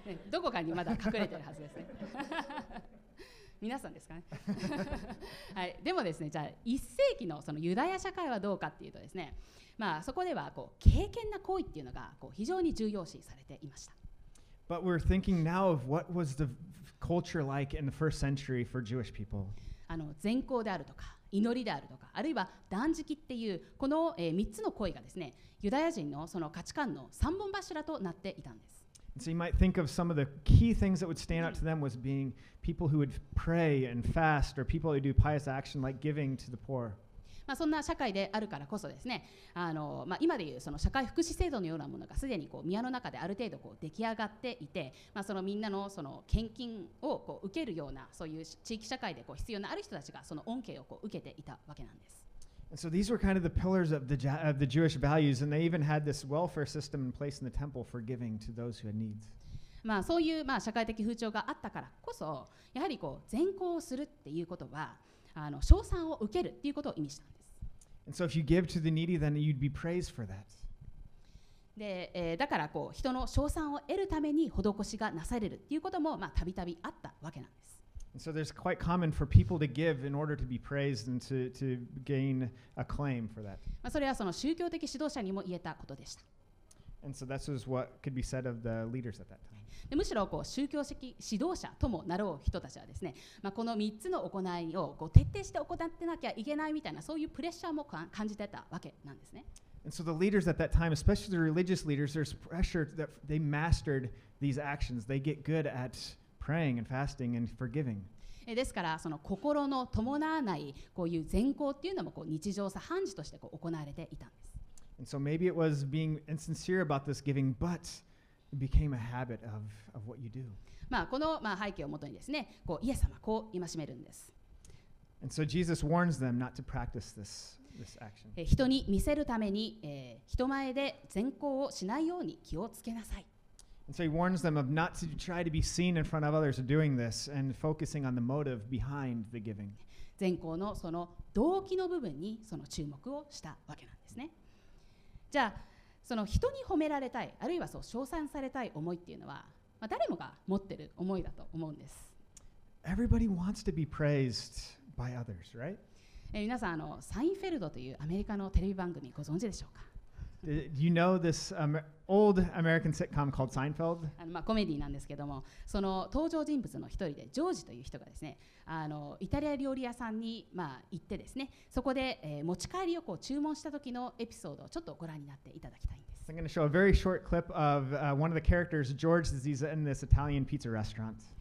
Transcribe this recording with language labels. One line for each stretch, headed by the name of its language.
Japanese: どこかにまだ隠れてるはずですね。皆さんですかね。はい、でもですね、じゃあ一世紀のそのユダヤ社会はどうかっていうとですね、そこではこう敬虔な行為っていうのがこう非常に重要視されていました。
English: But we're thinking now of what was the culture like in the first century for Jewish people.
Japanese: 善行であるとか、祈りであるとか、あるいは断食っていう、この、3つの行為がですね、ユダヤ人のその価値観の三本柱となっていたんです。
English: And so you might think of some of the key things that would stand out to them was being people who would pray and fast or people who do pious action like giving to the poor.
Japanese: そんな社会であるからこそですね、今でいうその社会福祉制度のようなものがすでにこう宮の中である程度こう出来上がっていて、そのみんな の, その献金をこう受けるような、そういう地域社会でこう必要なある人たちがその恩恵をこう受けていたわけなんです。
English: And so these were kind of the pillars of the Jewish values, and they even had this welfare system in place in the temple for giving to those who had needs.
Japanese: そういう社会的風潮があったからこそ、やはりこう善行をするっていうことは賞賛を受けるっていうことを意味したんです。
English: And so if you give to the needy, then you'd be praised for that.
Japanese: で、だからこう人の賞賛を得るために施しがなされるっていうこともたびたびあったわけなんです。
English: And so there's quite common for people to give in order to be praised and to gain acclaim for that.
Japanese: それはその宗教的指導者にも言えたことでした。
English: And so this is what could be said of the leaders at that time.
Japanese: でむしろこう宗教的指導者ともなろう人たちはですね、この3つの行いをこう徹底して行ってなきゃいけないみたいな、そういうプレッシャーも感じてたわけなんですね。
English: And so the leaders at that time, especially the religious leaders, there's pressure that they mastered these actions. They get good at praying and fasting and forgiving.
Japanese: ですから、その心の伴わないこういう善行っていうのもこう日常茶飯事としてこう行われていたんです。
English: And so maybe it was being insincere about this giving, butIt became a habit of what you do.
Japanese: この背景をもとにですね、こうイエス様こう戒めるんです。
English: And so Jesus warns them not to practice this, this action.
Japanese: 人に見せるために、人前で善行をしないように気をつけなさい。
English: And so he warns them of not to try to be seen in front of others doing this and focusing on the motive behind the giving.
Japanese: 善行のその動機の部分にその注目をしたわけなんですね。じゃあその人に褒められたい、あるいはそう称賛されたい思いっていうのは、まあ、誰もが持ってる思いだと思うんです。
English: Everybody wants to be praised by others, right?
Japanese: 皆さんあのサインフェルドというアメリカのテレビ番組ご存知でしょうか？
English: Do you know this old American sitcom called Seinfeld?
Japanese: あのまあコメディなんですけども、その登場人物の一人でジョージという人がですね、あのイタリア料理屋さんにまあ行ってですね、そこで、持ち帰りをこう注文した時のエピソードをちょっとご覧になっていただきたいんです。
English: I'm going to show a very short clip of one of the characters, George, as he's in this Italian pizza restaurant.